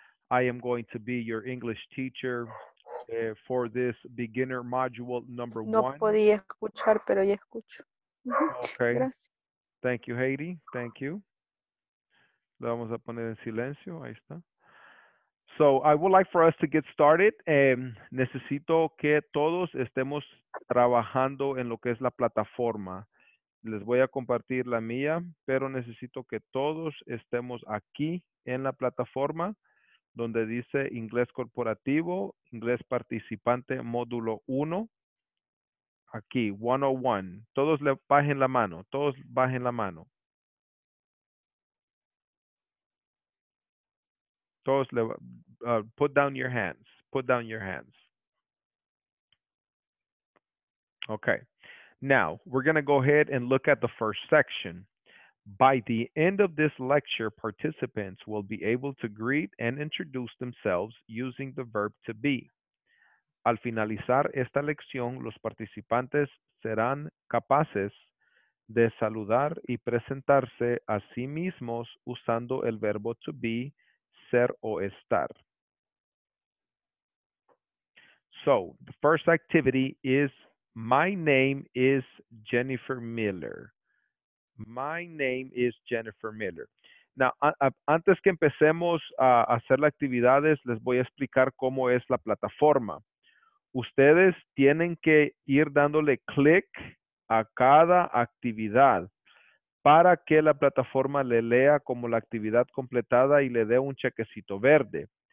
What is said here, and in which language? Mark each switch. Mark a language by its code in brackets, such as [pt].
[en] I am going to be your English teacher for this beginner module number no one. [es] No podía escuchar, pero ya escucho. [en] Okay. [es] Gracias. [en] Thank you, Heidi. Thank you. [es] Lo vamos a poner en silencio. Ahí está. [en] So, I would like for us to get started. [es] Necesito que todos estemos trabajando en lo que es la plataforma. Les voy a compartir la mía, pero necesito que todos estemos aquí en la plataforma donde dice inglés corporativo, inglés participante, módulo 1. Aquí, 101. Todos le bajen la mano. Todos bajen la mano. Todos le [en] put down your hands. Put down your hands. Okay. Now, we're going to go ahead and look at the first section. By the end of this lecture, participants will be able to greet and introduce themselves using the verb to be. [es] Al finalizar esta lección, los participantes serán capaces de saludar y presentarse a sí mismos usando el verbo to be, ser o estar. [en] So, the first activity is, my name is Jennifer Miller. My name is Jennifer Miller. [es] Now, antes que empecemos a hacer las actividades, les voy a explicar cómo es la plataforma. Ustedes tienen que ir dándole click a cada actividad para que la plataforma le lea como la actividad completada y le dé un chequecito verde.